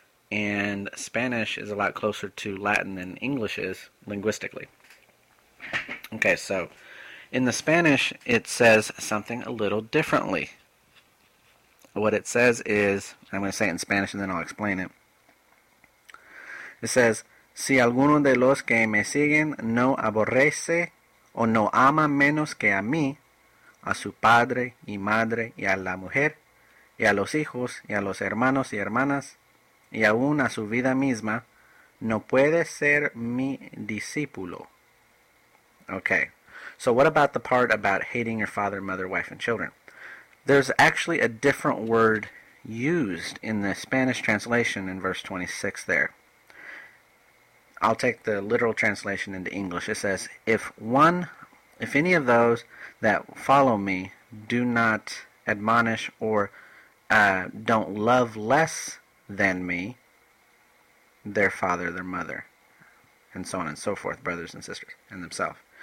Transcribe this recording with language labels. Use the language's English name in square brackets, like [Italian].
[English] And Spanish is a lot closer to Latin than English is linguistically. Okay, so in the Spanish, it says something a little differently. What it says is, I'm going to say it in Spanish and then I'll explain it. It says, [Spanish] "Si alguno de los que me siguen no aborrece o no ama menos que a mí, a su padre y madre y a la mujer y a los hijos y a los hermanos y hermanas y aun a su vida misma, no puede ser mi discípulo." [English] Okay, so what about the part about hating your father, mother, wife, and children? There's actually a different word used in the Spanish translation in verse 26 there. I'll take the literal translation into English. It says, if any of those that follow me do not admonish or don't love less than me, their father, their mother, and so on and so forth, brothers and sisters, and themselves.